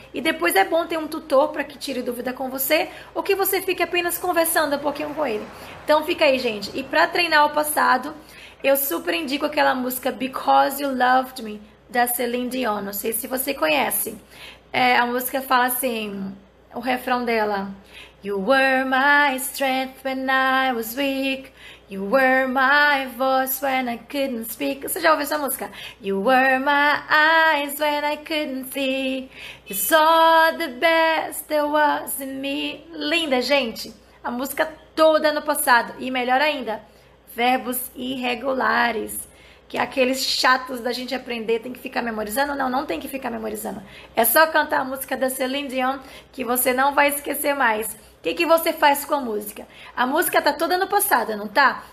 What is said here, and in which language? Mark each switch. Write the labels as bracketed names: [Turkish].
[Portuguese] E depois é bom ter um tutor para que tire dúvida com você ou que você fique apenas conversando um pouquinho com ele. Então fica aí, gente. E para treinar o passado, eu super indico aquela música Because You Loved Me, da Celine Dion. Não sei se você conhece. É, a música fala assim, o refrão dela. [English] You were my strength when I was weak. You were my voice when I couldn't speak. [Portuguese] Você já ouviu essa música? [English] You were my eyes when I couldn't see. You saw the best there was in me. [Portuguese] Linda, gente! A música toda no passado. E melhor ainda, verbos irregulares, que é aqueles chatos da gente aprender, tem que ficar memorizando? Não, não tem que ficar memorizando. É só cantar a música da Celine Dion que você não vai esquecer mais. O que que você faz com a música? A música tá toda no passado, não tá?